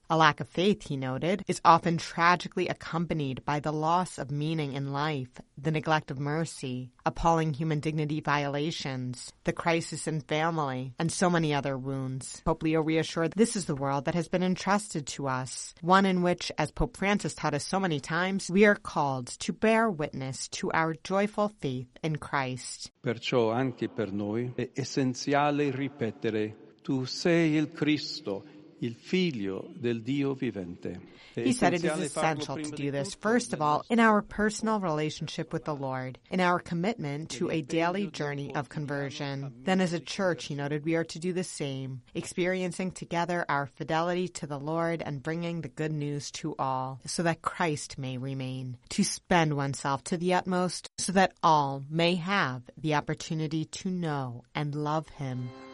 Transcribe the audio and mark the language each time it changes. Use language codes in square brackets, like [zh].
[en] A lack of faith, he noted, is often tragically accompanied by the loss of meaning in life, the neglect of mercy, appalling human dignity violations, the crisis in family, and so many other wounds. Pope Leo reassured, this is the world that has been entrusted to us, one in which, as Pope Francis taught us so many times, we are called to bear witness to our joyful faith in Christ. [it] Perciò anche per noi è essenziale ripetere, tu sei il Cristo, il figlio del Dio vivente. [en] He said it is essential to do this, first of all, in our personal relationship with the Lord, in our commitment to a daily journey of conversion. Then as a church, he noted, we are to do the same, experiencing together our fidelity to the Lord and bringing the good news to all, so that Christ may remain, to spend oneself to the utmost, so that all may have the opportunity to know and love him.